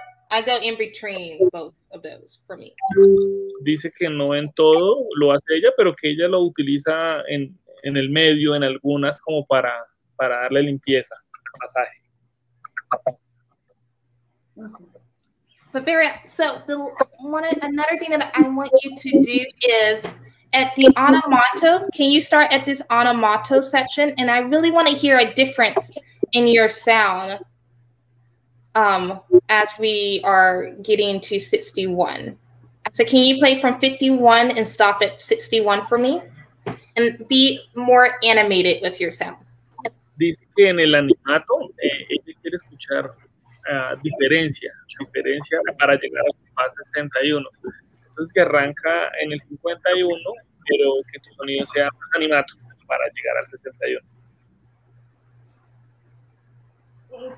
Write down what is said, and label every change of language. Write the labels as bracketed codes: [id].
[en] I go in between both of those for me. [es] Dice que no en todo lo hace ella, pero que ella lo utiliza en el medio, en algunas, como para darle limpieza, masaje. [en] But very, so the one, another thing that I want you to do is at the onomato, can you start at this onomato section? And I really want to hear a difference in your sound as we are getting to 61. So can you play from 51 and stop at 61 for me? And be more animated with yourself. [es] Dice que en el animato, ella quiere escuchar diferencia para llegar a la fase 61. Entonces, que arranca en el 51, pero que tu sonido sea más animado para llegar al 61.